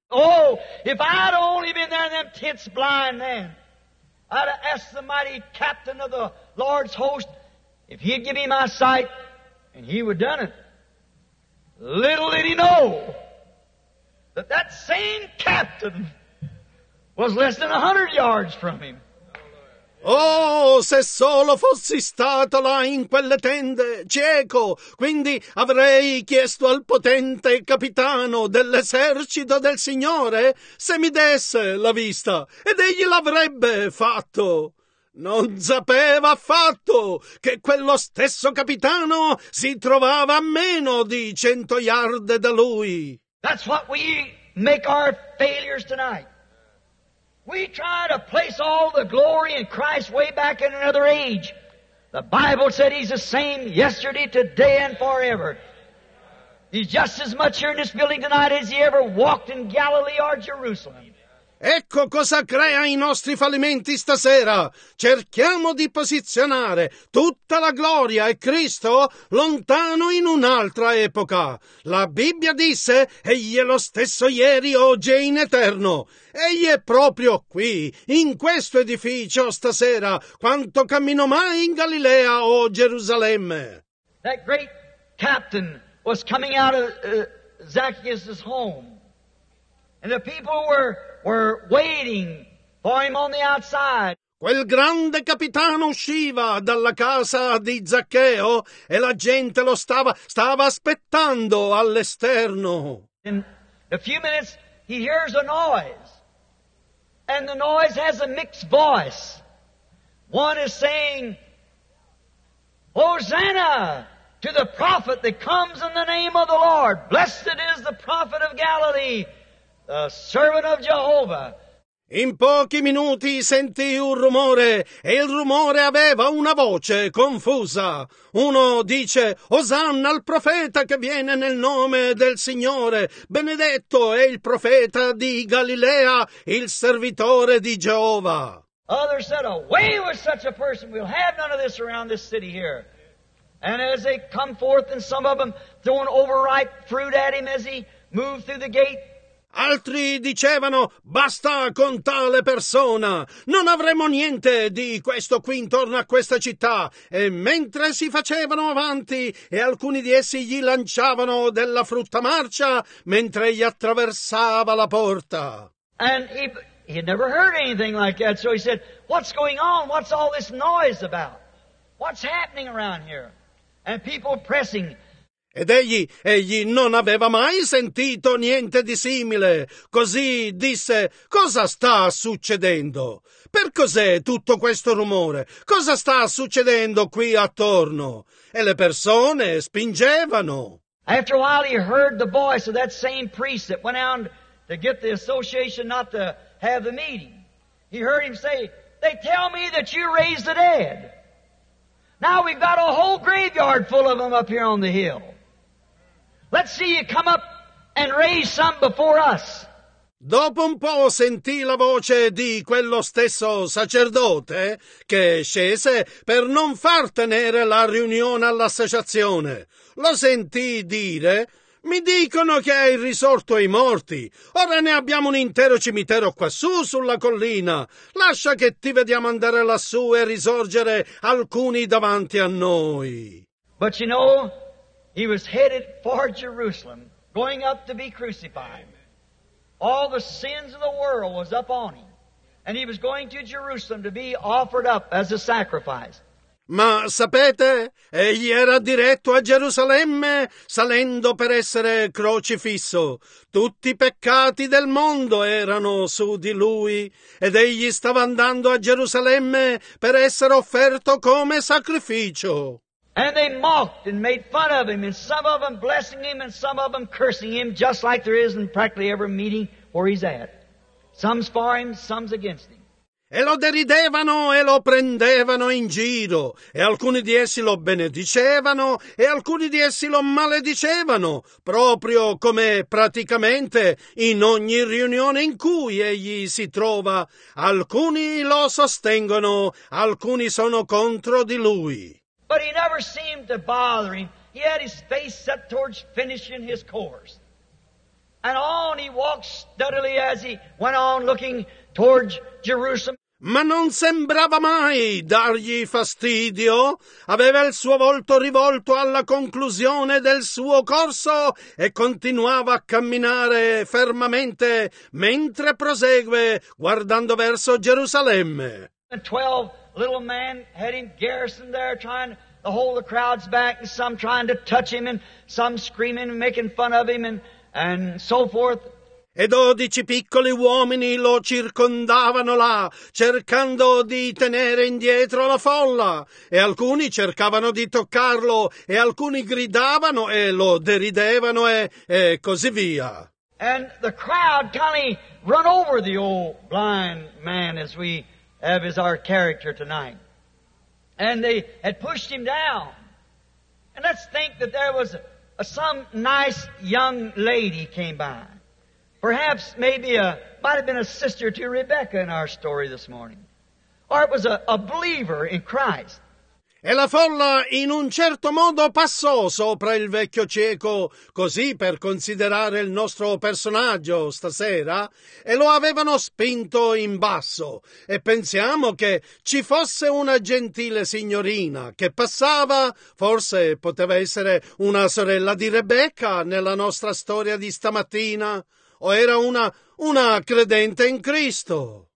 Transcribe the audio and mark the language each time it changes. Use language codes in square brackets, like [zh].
[en] Oh, if I'd only been there in them tents blind then, I'd have asked the mighty captain of the Lord's host if he'd give me my sight, and he would have done it. Little did he know that that same captain was less than 100 yards from him. [it] Oh, se solo fossi stato là in quelle tende, cieco, quindi avrei chiesto al potente capitano dell'esercito del Signore se mi desse la vista, ed egli l'avrebbe fatto. Non sapeva affatto che quello stesso capitano si trovava a meno di 100 yard da lui. [en] That's what we make our failures tonight. We try to place all the glory in Christ way back in another age. The Bible said he's the same yesterday, today, and forever. He's just as much here in this building tonight as he ever walked in Galilee or Jerusalem. [it] Ecco cosa crea i nostri fallimenti stasera. Cerchiamo di posizionare tutta la gloria e Cristo lontano in un'altra epoca. La Bibbia disse, egli è lo stesso ieri, oggi e in eterno. Egli è proprio qui, in questo edificio stasera, quanto cammino mai in Galilea o Gerusalemme. [en] That great captain was coming out of Zacchaeus' home. And the people were waiting for him on the outside. [it] Quel grande capitano usciva dalla casa di Zaccheo e la gente lo stava aspettando all'esterno. [en] In a few minutes he hears a noise. And the noise has a mixed voice. One is saying, Hosanna to the prophet that comes in the name of the Lord. Blessed is the prophet of Galilee. The servant of Jehovah. [it] In pochi minuti sentì un rumore, e il rumore aveva una voce confusa. Uno dice, Osanna al profeta che viene nel nome del Signore. Benedetto è il profeta di Galilea, il servitore di Geova. [en] Others said, away with such a person, we'll have none of this around this city here. And as they come forth, and some of them throwing overripe fruit at him as he moved through the gate, [it] altri dicevano, basta con tale persona, non avremo niente di questo qui intorno a questa città. E mentre si facevano avanti e alcuni di essi gli lanciavano della frutta marcia, mentre egli attraversava la porta. [en] And he had never heard anything like that, so he said, what's going on? What's all this noise about? What's happening around here? And people pressing. [it] Ed egli non aveva mai sentito niente di simile. Così disse, cosa sta succedendo? Per cos'è tutto questo rumore? Cosa sta succedendo qui attorno? E le persone spingevano. [en] After a while he heard the voice of that same priest that went out to get the association not to have the meeting. He heard him say, they tell me that you raised the dead. Now we've got a whole graveyard full of them up here on the hill. Let's see you come up and raise some before us. [it] Dopo un po' sentì la voce di quello stesso sacerdote che scese per non far tenere la riunione all'associazione. Lo sentì dire, mi dicono che hai risorto i morti. Ora ne abbiamo un intero cimitero quassù sulla collina. Lascia che ti vediamo andare lassù e risorgere alcuni davanti a noi. [en] But you know, he was headed for Jerusalem, going up to be crucified. All the sins of the world was up on him, and he was going to Jerusalem to be offered up as a sacrifice. [it] Ma sapete, egli era diretto a Gerusalemme, salendo per essere crocifisso. Tutti i peccati del mondo erano su di lui, ed egli stava andando a Gerusalemme per essere offerto come sacrificio. [en] And they mocked and made fun of him, and some of them blessing him, and some of them cursing him, just like there is in practically every meeting where he's at. Some's for him, some's against him. [it] E lo deridevano e lo prendevano in giro, e alcuni di essi lo benedicevano, e alcuni di essi lo maledicevano, proprio come praticamente in ogni riunione in cui egli si trova. Alcuni lo sostengono, alcuni sono contro di lui. [en] But he never seemed to bother him. He had his face set towards finishing his course. And on he walked steadily as he went on looking towards Jerusalem. [it] Ma non sembrava mai dargli fastidio. Aveva il suo volto rivolto alla conclusione del suo corso e continuava a camminare fermamente mentre prosegue guardando verso Gerusalemme. [en] And 12 little men had him garrisoned there trying to hold the crowds back, and some trying to touch him, and some screaming and making fun of him, and so forth. [it] E 12 piccoli uomini lo circondavano là, cercando di tenere indietro la folla. E alcuni cercavano di toccarlo, e alcuni gridavano e lo deridevano e così via. [en] And the crowd kind of run over the old blind man as we have is our character tonight. And they had pushed him down. And let's think that there was Some nice young lady came by. Perhaps maybe might have been a sister to Rebecca in our story this morning. Or it was a believer in Christ. [it] E la folla in un certo modo passò sopra il vecchio cieco, così per considerare il nostro personaggio stasera, e lo avevano spinto in basso. E pensiamo che ci fosse una gentile signorina che passava, forse poteva essere una sorella di Rebecca nella nostra storia di stamattina, o era una credente in Cristo.